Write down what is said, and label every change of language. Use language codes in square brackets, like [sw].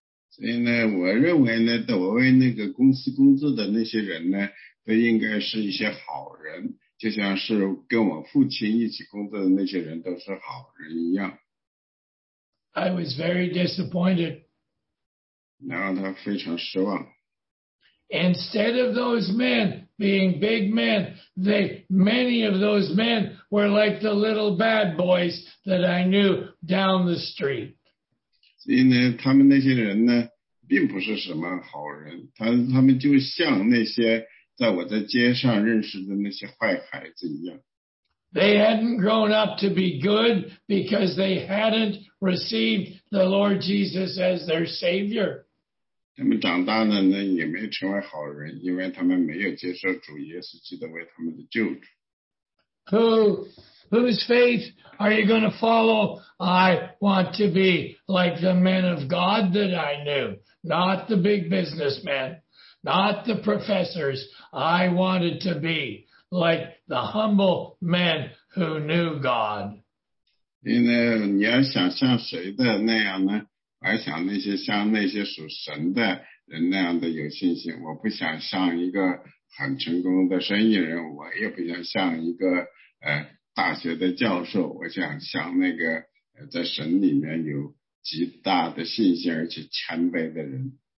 [zh] 所以呢，我认为呢，我为那个公司工作的那些人呢，都应该是一些好人。就像是跟我父亲一起工作的那些人都是好人一样。 [en] I was very disappointed. [zh] 然后他非常失望。 [en] Instead of those men being big men, many of those men were like the little bad boys that I knew down the street. [zh] 所以呢，他们那些人呢，并不是什么好人，他们就像那些在我在街上认识的那些坏孩子一样。 [en] They hadn't grown up to be good because they hadn't received the Lord Jesus as their Savior. [zh] 他们长大了呢，也没成为好人，因为他们没有接受主耶稣基督为他们的救主。 [en] Whose faith are you going to follow? I want to be like the men of God that I knew, not the big businessmen. Not the professors. I wanted to be like the humble men who knew God. [zh] 因为呢，你要想像谁的那样呢？我还想那些像那些属神的人那样的有信心。我不想像一个很成功的生意人，我也不想像一个大学的教授。我想像那个在神里面有极大的信心而且谦卑的人。